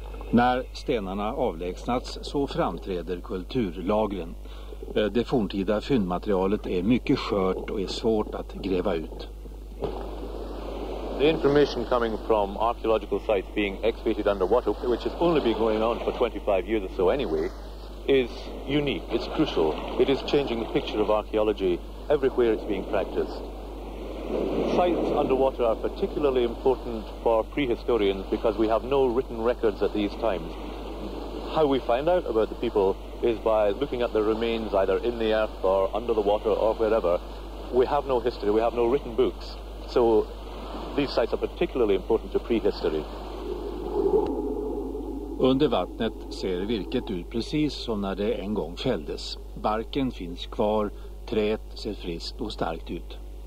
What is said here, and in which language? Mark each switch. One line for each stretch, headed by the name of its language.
Swedish: När stenarna avlägsnats så framträder kulturlagren. Det forntida fyndmaterialet är mycket skört och är svårt att gräva ut.
English: The information coming from archaeological sites being excavated under water, which has only been going on for 25 years or so anyway, is unique. It's crucial. It is changing the picture of archaeology everywhere it's being practiced. Sites underwater are particularly important for prehistorians because we have no written records at these times. How we find out about the people is by looking at the remains either in the earth or under the water or wherever. We have no history, we have no written books. So these sites are particularly important to prehistory.
Swedish: Under vattnet ser virket ut precis som när det en gång fälldes. Barken finns kvar, träet ser friskt och starkt ut.